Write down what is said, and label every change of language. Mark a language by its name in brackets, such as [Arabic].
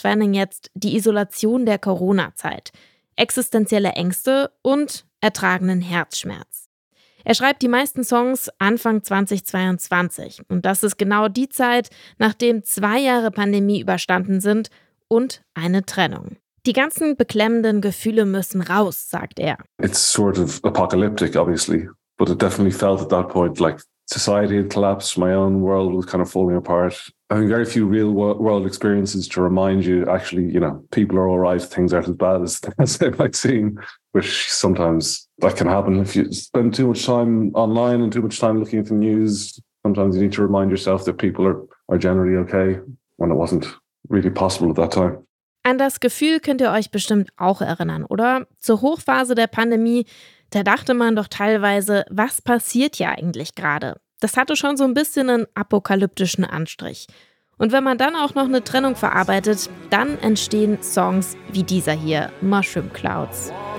[German] Fanning jetzt die Isolation der Corona-Zeit, existenzielle Ängste und ertragenen Herzschmerz. Er schreibt die meisten Songs Anfang 2022 und das ist genau die Zeit, nachdem 2 Jahre Pandemie überstanden sind und eine Trennung. Die ganzen beklemmenden Gefühle müssen raus, sagt er. [English] It's sort of apocalyptic, obviously, but it definitely felt at that point like society had collapsed, my own world was kind of falling apart. I mean, very few real world experiences to remind you, actually, you know, people are all right, things aren't as bad as they might seem, which sometimes that can happen if you spend too much time online and too much time looking at the news. Sometimes you need to remind yourself that people are generally okay when it wasn't really possible at that time. [German] An das Gefühl könnt ihr euch bestimmt auch erinnern, oder? Zur Hochphase der Pandemie, da dachte man doch teilweise, was passiert hier eigentlich gerade? Das hatte schon so ein bisschen einen apokalyptischen Anstrich. Und wenn man dann auch noch eine Trennung verarbeitet, dann entstehen Songs wie dieser hier, Mushroom Clouds.